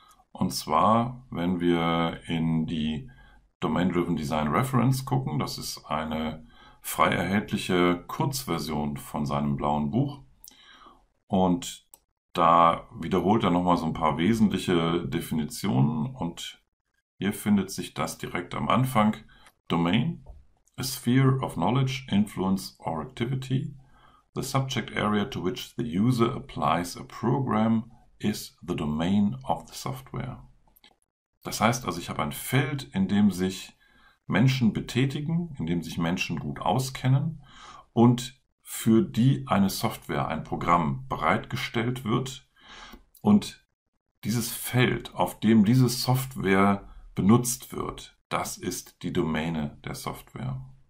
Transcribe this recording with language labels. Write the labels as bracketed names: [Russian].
[German] Und zwar, wenn wir in die Domain-Driven Design Reference gucken, das ist eine frei erhältliche Kurzversion von seinem blauen Buch. Und da wiederholt er nochmal so ein paar wesentliche Definitionen. Und hier findet sich das direkt am Anfang. [English] Domain, a sphere of knowledge, influence or activity. The subject area to which the user applies a program is the domain of the software. [German] Das heißt also, ich habe ein Feld, in dem sich Menschen betätigen, indem sich Menschen gut auskennen und für die eine Software, ein Programm bereitgestellt wird. Und dieses Feld, auf dem diese Software benutzt wird, das ist die Domäne der Software.